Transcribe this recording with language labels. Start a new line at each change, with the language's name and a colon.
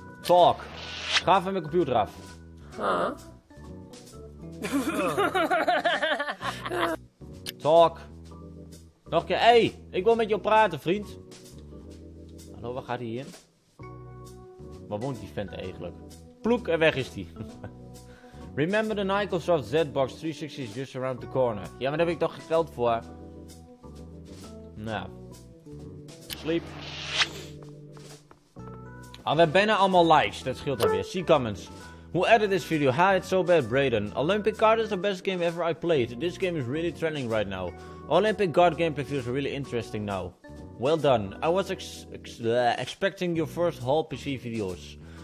Dutch: Talk. Ga van mijn computer af. Huh? Talk. Nog een keer. Hey, ik wil met jou praten, vriend. Hallo, waar gaat hij in? Waar woont die vent eigenlijk? Ploek, en weg is die.
English: Remember the Microsoft Zbox 360 is just around the corner.
Dutch: Ja, maar daar heb ik toch geld voor. Nou. Sleep. Ah, we hebben allemaal likes. Dat scheelt alweer.
English: See comments. Who edit this video? Ha, it's so bad, Brayden. Olympic Card is the best game ever I played. This game is really trending right now. Olympic Guard gameplay feels really interesting now. Well done. I was expecting your first whole PC videos.